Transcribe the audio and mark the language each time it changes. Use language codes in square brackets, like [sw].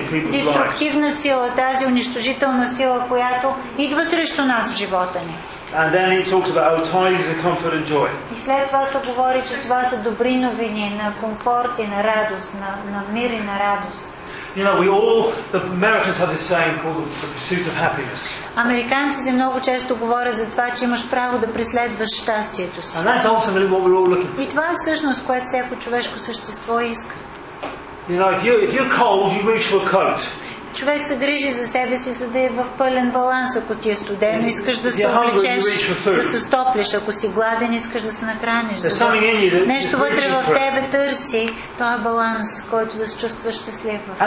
[bg] Деструктивна сила, тази унищожителна сила, която идва срещу нас в живота ни. [en] And then it talks about our tidings of comfort and joy. [bg] И след това се говори, че това са добри новини на комфорт и на радост, на мир и на радост. [en] You know, we all, the Americans have this saying called the pursuit of happiness. [bg] Американците много често говорят за това, че имаш право да преследваш щастието си. [en] And that's ultimately what we're all looking for. [bg] И това е всъщност, което всяко човешко същество иска. [en] You know, if you're cold, you reach for a coat. [bg] Човек се грижи за себе си, за да е в пълен баланс. Ако ти е студено, искаш да се облечеш, да се стоплиш. Ако си гладен, искаш да се нахраниш. Нещо вътре в тебе търси този баланс, който да се чувстваш щастлив.